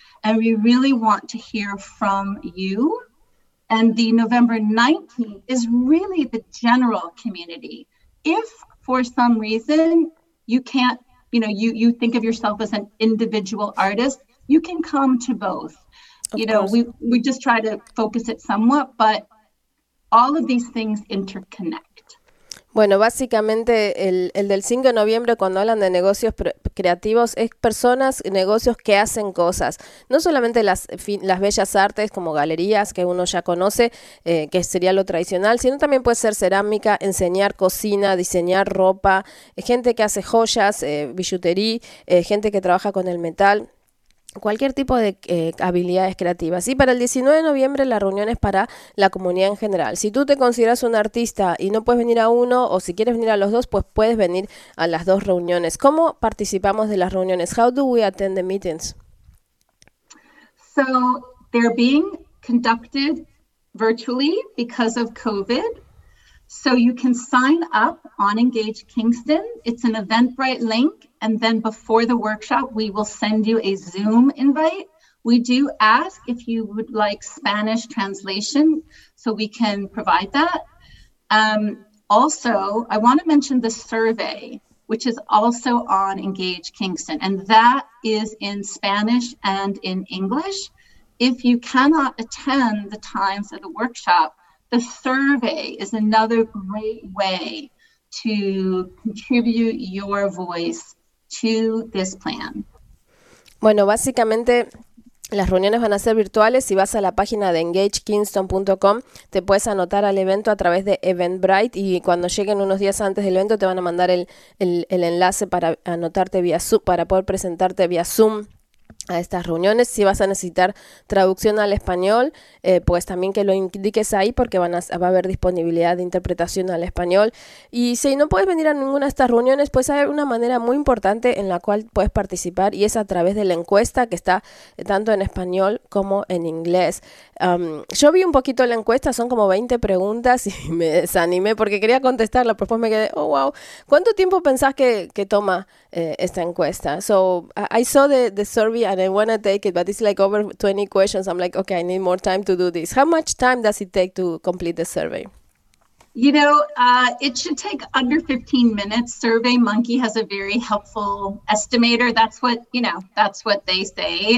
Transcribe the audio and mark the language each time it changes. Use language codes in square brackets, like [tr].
[en] And we really want to hear from you. And the November 19th is really the general community. If for some reason you can't, you know, you think of yourself as an individual artist, you can come to both. We just try to focus it somewhat, but all of these things interconnect. [es] Bueno, básicamente el del 5 de noviembre, cuando hablan de negocios creativos, es personas, negocios que hacen cosas. No solamente las bellas artes como galerías que uno ya conoce, que sería lo tradicional, sino también puede ser cerámica, enseñar cocina, diseñar ropa, gente que hace joyas, bisutería, gente que trabaja con el metal. Cualquier tipo de habilidades creativas. Y para el 19 de noviembre la reunión es para la comunidad en general. Si tú te consideras un artista y no puedes venir a uno, o si quieres venir a los dos, pues puedes venir a las dos reuniones. ¿Cómo participamos de las reuniones? [en] How do we attend the meetings? So they're being conducted virtually because of COVID. So you can sign up on Engage Kingston. It's an Eventbrite link. And then before the workshop, we will send you a Zoom invite. We do ask if you would like Spanish translation, so we can provide that. Also, I want to mention the survey, which is also on Engage Kingston. And that is in Spanish and in English. If you cannot attend the times of the workshop, the survey is another great way to contribute your voice to this plan. [es] Bueno, básicamente las reuniones van a ser virtuales. Si vas a la página de engagekingston.com, te puedes anotar al evento a través de Eventbrite, y cuando lleguen unos días antes del evento te van a mandar el enlace para anotarte vía Zoom, para poder presentarte vía Zoom a estas reuniones. Si vas a necesitar traducción al español, pues también que lo indiques ahí, porque va a haber disponibilidad de interpretación al español. Y si no puedes venir a ninguna de estas reuniones, pues hay una manera muy importante en la cual puedes participar, y es a través de la encuesta que está tanto en español como en inglés. Yo vi un poquito la encuesta, son como 20 preguntas y me desanimé porque quería contestarla, pero después me quedé, oh wow, ¿cuánto tiempo pensás que toma esta encuesta? [en] So I saw the survey and I want to take it, but it's like over 20 questions. I'm like, okay, I need more time to do this. How much time does it take to complete the survey? You know, it should take under 15 minutes. SurveyMonkey has a very helpful estimator. That's what they say.